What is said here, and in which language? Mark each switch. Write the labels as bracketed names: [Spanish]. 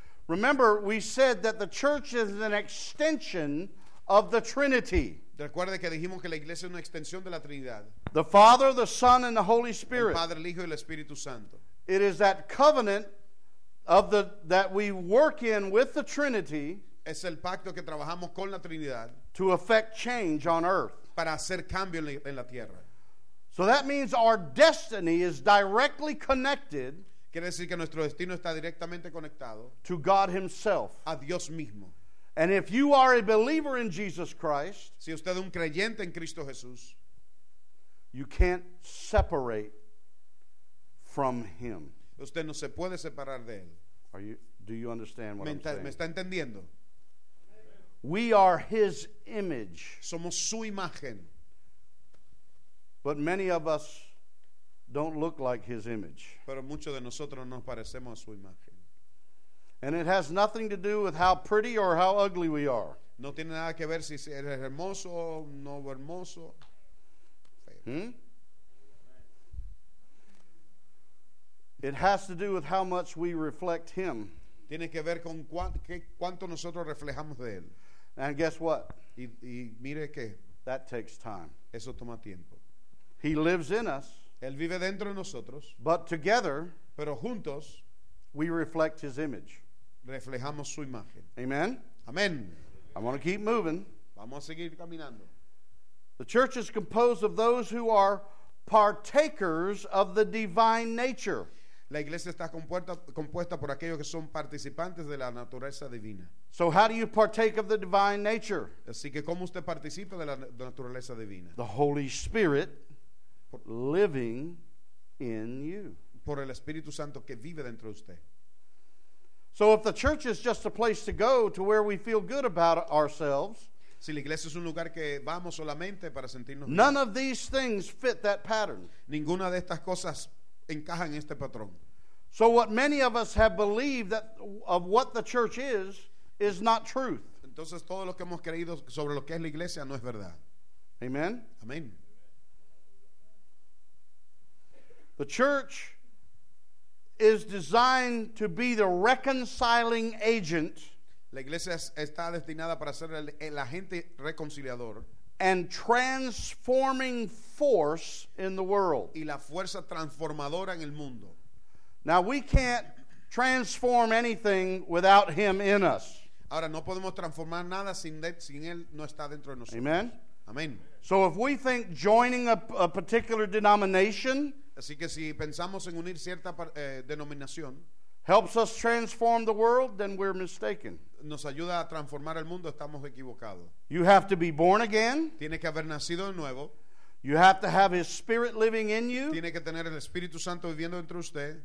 [English] Remember, we said that the church is an extension of the Trinity. [Spanish] Recuerde que dijimos que la iglesia es una extensión de la Trinidad. [English] The Father, the Son, and the Holy Spirit. [Spanish] El Padre, el Hijo, y el Espíritu Santo. [English] It is that covenant of the that we work in with the Trinity. [Spanish] Es el pacto que trabajamos con la Trinidad. [English] To affect change on earth. [Spanish] Para hacer cambio en la tierra. [English] So that means our destiny is directly connected. [Spanish] Quiere decir que nuestro destino está directamente conectado. [English] To God himself. [Spanish] A Dios mismo. [English] And if you are a believer in Jesus Christ. [Spanish] Si usted es un creyente en Cristo Jesús. [English] You can't separate from him. [Spanish] Usted no se puede separar de él. [English] Do you understand what I'm saying? [Spanish] Me está entendiendo. [English] We are His image. [Spanish] Somos su imagen. [English] But many of us don't look like His image. [Spanish] Pero muchos de nosotros no parecemos a su imagen. [English] And it has nothing to do with how pretty or how ugly we are. [Spanish] No tiene nada que ver si eres hermoso o no hermoso. [English] It has to do with how much we reflect Him. [Spanish] Tiene que ver con cuánto nosotros reflejamos de Él. [English] And guess what? [Spanish] Y mire que [English] that takes time. [Spanish] Eso toma tiempo. [English] He lives in us. [Spanish] Él vive dentro de nosotros. [English] But together, [Spanish] pero juntos, [English] we reflect His image. [Spanish] Reflejamos su imagen. [English] Amen. Amen. I want to keep moving. [Spanish] Vamos a seguir caminando. [English] The church is composed of those who are partakers of the divine nature. [Spanish] La iglesia está compuesta por aquellos que son participantes de la naturaleza divina. [English] So how do you partake of the divine nature? [Spanish] Así que cómo usted participa de la naturaleza divina. [English] The Holy Spirit living in you. [Spanish] Por el Espíritu Santo que vive dentro de usted. [English] So if the church is just a place to go to where we feel good about ourselves, [Spanish] si la iglesia es un lugar que vamos solamente para sentirnos [English] bien, none of these things fit that pattern. [Spanish] Ninguna de estas cosas encaja en este patrón. [English] So what many of us have believed that of what the church is not truth. [Spanish] Entonces todo lo que hemos creído sobre lo que es la iglesia no es verdad. [English] Amen. [Spanish] Amen. [English] The church is designed to be the reconciling agent. [Spanish] La iglesia está destinada para ser el agente reconciliador. [English] And transforming force in the world. [Spanish] Y la fuerza transformadora en el mundo. [English] Now we can't transform anything without Him in us. [Spanish] Ahora no podemos transformar nada sin Él no está dentro de nosotros. [English] Amen. [Spanish] Amen. [English] So if we think joining a particular denomination, [Spanish] así que si pensamos en unir cierta denominación, [English] helps us transform the world, then we're mistaken. [Spanish] Nos ayuda a transformar el mundo, estamos equivocados. [English] You have to be born again. [Spanish] Tiene que haber nacido de nuevo. [English] You have to have His Spirit living in you. [Spanish] Tiene que tener el Espíritu Santo viviendo dentro de usted.